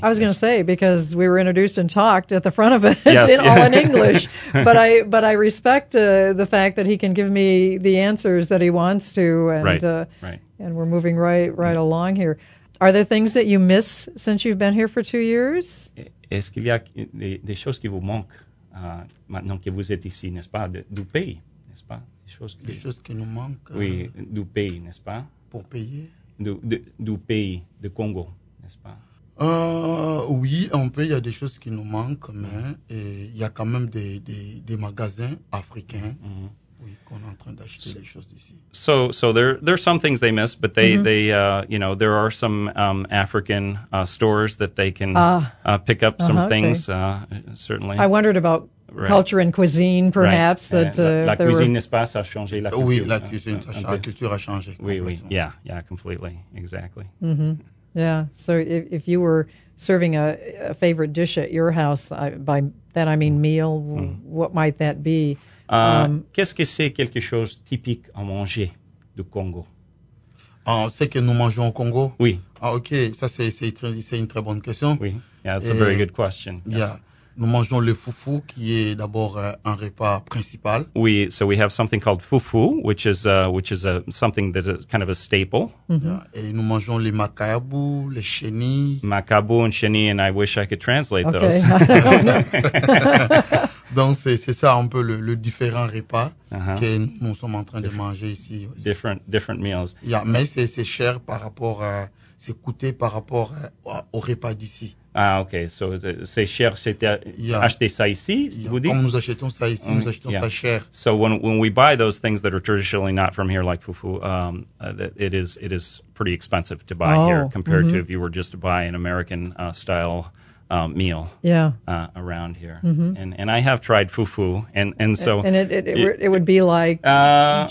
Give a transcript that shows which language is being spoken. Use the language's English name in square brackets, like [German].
[English] I was going to say, because we were introduced and talked at the front of it, yes. all in English, but I respect the fact that he can give me the answers that he wants to, and and we're moving right yeah. along here. Are there things that you miss since you've been here for 2 years? [French] Est-ce qu'il y a des choses qui vous manquent maintenant que vous êtes ici, n'est-ce pas, du pays, n'est-ce pas? Des choses qui nous manquent. Oui, du pays, n'est-ce pas? Pour payer. Du pays, du Congo, n'est-ce pas? Oui, en pays, il y a des choses qui nous manquent, mais il y a quand même des magasins africains mm-hmm. oui, qu'on est en train d'acheter les choses d'ici. [English] So there are some things they miss, but they, mm-hmm. you know, there are some African stores that they can pick up some uh-huh, things, okay. Certainly. I wondered about... Right. Culture and cuisine, perhaps. Right. That la there cuisine, were... [French] n'est-ce pas, ça a changé la culture. Oui, la cuisine, la culture a changé. Oui, oui. [English] Yeah, completely. Exactly. Mm-hmm. Yeah. So if you were serving a favorite dish at your house, by that I mean meal, what might that be? [French] Qu'est-ce que c'est quelque chose typique à manger du Congo? C'est que nous mangeons au Congo? Oui. Ah, OK. Ça, c'est une très bonne question. [English] Oui. Yeah, that's a very good question. Yes. Yeah. [French] Nous mangeons le foufou, qui est d'abord un repas principal. [English] Oui, so we have something called foufou, which is something that is kind of a staple. [French] Mm-hmm. Yeah. Et nous mangeons les makabu, les chenilles. [English] Makabu and chenilles, and I wish I could translate okay. those. [French] Donc c'est ça un peu le différent repas uh-huh. que nous sommes en train de manger ici. [English] Different meals. [French] Yeah, mais c'est cher par rapport à... coûter par rapport au repas d'ici. Ah, ok. So, c'est cher, acheter ça ici, vous dites? Quand nous achetons ça ici, nous achetons ça cher. [English] So when we buy those things that are traditionally not from here, like fufu, it is pretty expensive to buy here compared to if you were just to buy an American style meal around here. Mm-hmm. And I have tried fufu, and so... And it would be like, John,